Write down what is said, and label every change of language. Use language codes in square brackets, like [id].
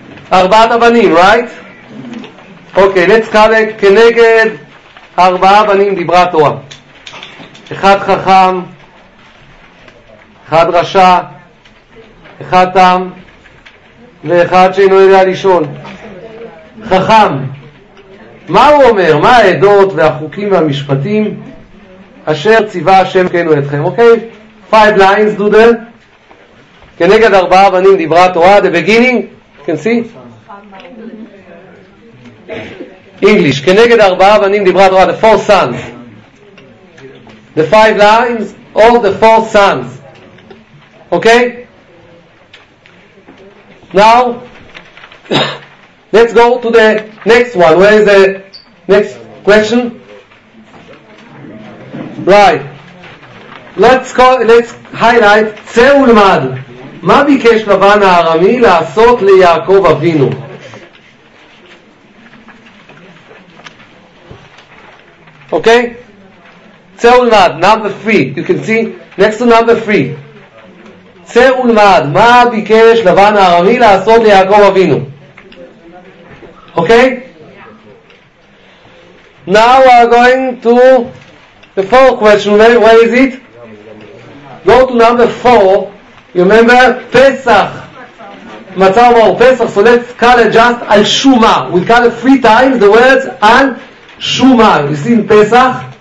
[he] Arba'at Abanim, [en] right? Okay, let's call it [he] Keneged Arba'at Abanim Dibra Torah. Echad Chacham, Echad Rasha, Echad Tam, ואחד שאינו יודע לשאול. חכם, מה הוא אומר? מה העדות והחוקים והמשפטים אשר ציווה השם כנו אתכם? [en] אוקיי, five lines do that. [he] כנגד ארבעה בנים דיברה תורה. [en] The beginning, can see? [he] English. כנגד ארבעה בנים דיברה תורה. [en] The four sons. The five lines of the four sons. אוקיי? Now, let's go to the next one. Where is the next question? Right. Let's highlight [he] Tse ulmad. Ma bikesh Lavan ha'arami la'asot li'Yaakov Avinu? [en] Okay? [he] Tse ulmad, [en] number three. You can see, next to number three. [he] צא ולמד, מה ביקש לבן הארמי לעשות ליעקב אבינו? [en] Okay? Now we are going to the fourth question. Where is it? Go to number four. You remember? פסח. מצא ומאור פסח. So let's call it just [he] על שומה. [en] We call it three times the words על שומה. You see in פסח?